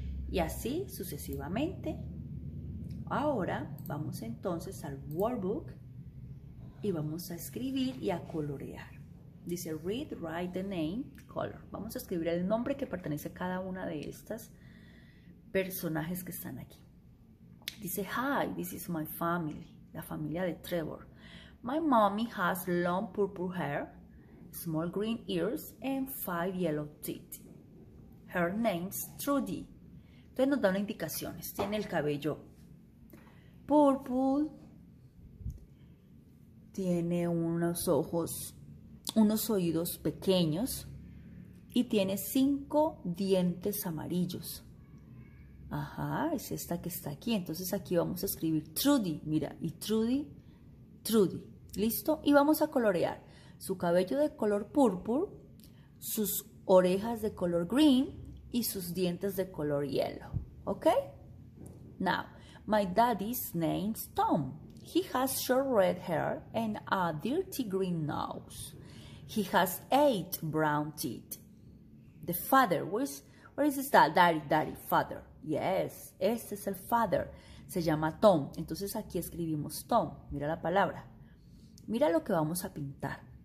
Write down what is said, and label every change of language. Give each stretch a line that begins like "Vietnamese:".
Spanish: Y así sucesivamente. Ahora vamos entonces al workbook y vamos a escribir y a colorear. Dice
English: read, write the name, color.
Spanish: Vamos a escribir el nombre que pertenece a cada una de estas personajes que están aquí. Dice
English: hi, this is my family,
Spanish: la familia de
English: Trevor. My mommy has long purple hair, small green ears and five yellow teeth. Her name's Trudy.
Spanish: Entonces nos da una indicación. Tiene el cabello purple. Tiene unos ojos, unos oídos pequeños. Y tiene cinco dientes amarillos. Ajá, es esta que está aquí. Entonces aquí vamos a escribir Trudy. Mira, y Trudy, Trudy. ¿Listo? Y vamos a colorear. Su cabello de color púrpura, sus orejas de color green y sus dientes de color yellow.
English: ¿Ok? Now, my daddy's name's Tom. He has short red hair and a dirty green nose. He has eight brown teeth. The father, where is that? Daddy, father.
Spanish: Yes, este es el father. Se llama Tom. Entonces aquí escribimos Tom. Mira la palabra. Mira lo que vamos a pintar.